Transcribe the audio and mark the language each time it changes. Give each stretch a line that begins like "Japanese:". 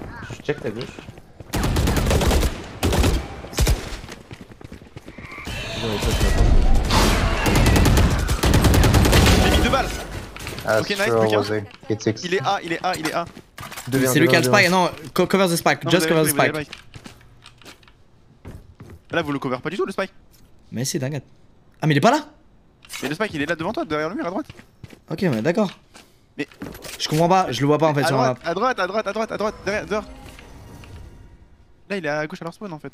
French: Je check ta gauche. J'ai mis deux balles. Ok nice, plus qu'un. Il est A, il est A, il est A. Deux, c'est lequel spike?
English: Non, cover the spike, non, just cover the spike.
French: Là vous le cover pas du tout le spike. Mais c'est dingue. Ah mais il est pas là. Mais le spike il est là devant toi, derrière le mur à droite. Ok mais d'accord. Mais je comprends pas, je le vois pas en fait à sur droite, la map. À droite, à droite, à droite, à droite, derrière, dehors. Là il est à gauche à leur spawn en fait.